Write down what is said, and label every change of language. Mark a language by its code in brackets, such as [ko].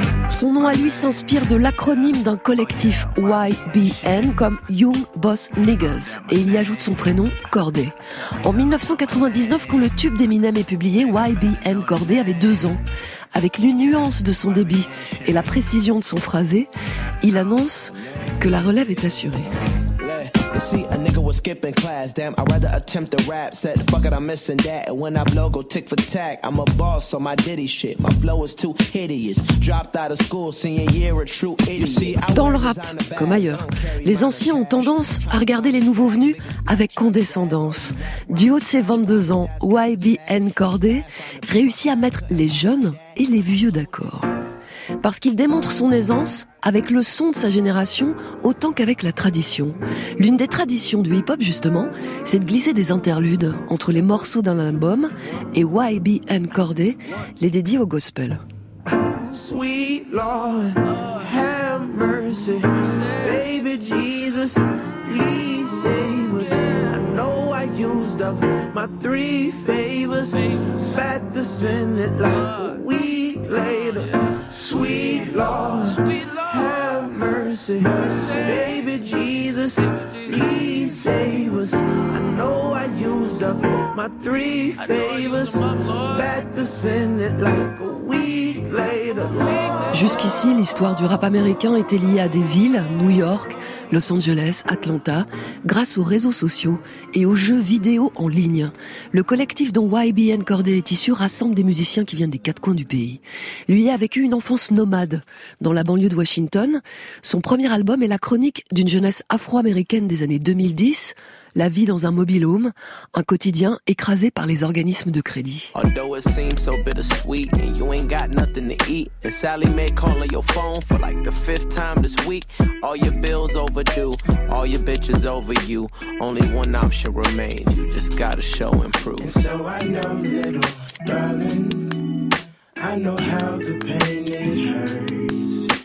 [fr] Son nom à lui s'inspire de l'acronyme d'un collectif YBN comme Young Boss Niggas et il y ajoute son prénom Cordae. En 1999, quand le tube d'Eminem est publié, YBN Cordae avait 2 ans. Avec l'nuance de son débit et la précision de son phrasé, il annonce que la relève est assurée. [en] See a nigga was skipping class, damn, I'd rather attempt the rap. Said, fuck it, I'm missing that. And when I blow, go tick for tack. I'm a boss on my Diddy shit. My flow is too hideous. Dropped out of school, senior year, a true idiot. [fr] Dans le rap, comme ailleurs, les anciens ont tendance à regarder les nouveaux venus avec condescendance. Du haut de ses 22 ans, YBN Cordae réussit à mettre les jeunes et les vieux d'accord. Parce qu'il démontre son aisance avec le son de sa génération autant qu'avec la tradition. L'une des traditions du hip-hop, justement, c'est de glisser des interludes entre les morceaux d'un album et YBN Cordae les dédie au gospel. [en] Sweet Lord, have mercy, baby Jesus, please save us. I know I used up my 3 favors, back to sin it like a week later. Sweet Lord, have mercy, baby Jesus, please save us. I know I used up my 3 favors, back to sin it like a week later. [fr] Jusqu'ici, l'histoire du rap américain était liée à des villes, New York, Los Angeles, Atlanta, grâce aux réseaux sociaux et aux jeux vidéo en ligne. Le collectif dont YBN Cordae est issu rassemble des musiciens qui viennent des 4 coins du pays. Lui a vécu une enfance nomade dans la banlieue de Washington. Son premier album est la chronique d'une jeunesse afro-américaine des années 2010, la vie dans un mobile home, un quotidien écrasé par les organismes de crédit. [en] Although it seems so bittersweet, and you ain't got nothing to eat, and Sally may call your phone for like the 5th time this week. All your bills overdue, all your bitches over you. Only one option remains, you just gotta show and prove. And so I know, little darling, I know how the pain it hurts.